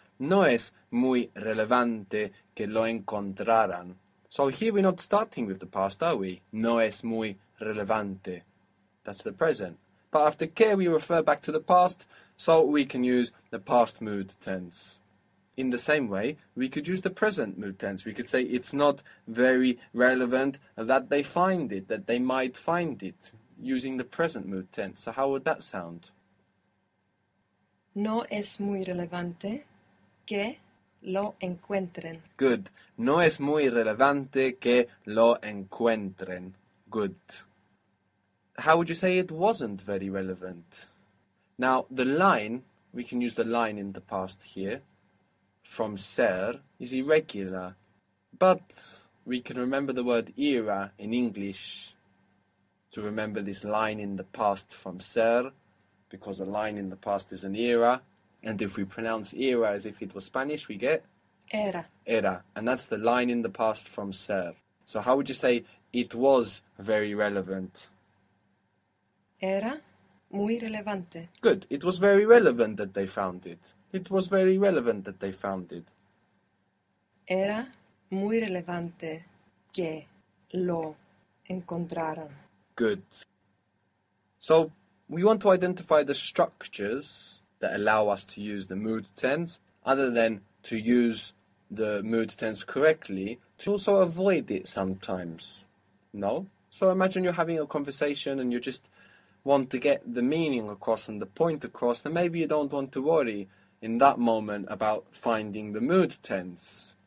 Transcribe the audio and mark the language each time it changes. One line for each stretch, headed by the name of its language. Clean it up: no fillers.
Spanish: No es muy relevante que lo encontraran.
English: So here we're not starting with the past, are we?
Spanish: No es muy relevante.
English: That's the present. But after que, we refer back to the past, so we can use the past mood tense. In the same way, we could use the present mood tense. We could say it's not very relevant that they find it, that they might find it, using the present mood tense. So how would that sound?
Spanish: No es muy relevante que lo encuentren.
English: Good.
Spanish: No es muy relevante que lo encuentren.
English: Good. How would you say it wasn't very relevant? Now, the line, we can use the line in the past here, from ser, is irregular. But we can remember the word era in English to remember this line in the past from ser, because a line in the past is an era. And if we pronounce era as if it was Spanish, we get? Era. Era. And that's the line in the past from ser. So how would you say it was very relevant?
Spanish: Era muy relevante.
English: Good. It was very relevant that they found it. It was very relevant that they found it.
Spanish: Era muy relevante que lo encontraran.
English: Good. So we want to identify the structures that allow us to use the mood tense, other than to use the mood tense correctly, to also avoid it sometimes. No? So imagine you're having a conversation and you just want to get the meaning across and the point across, and maybe you don't want to worry in that moment about finding the mood tense.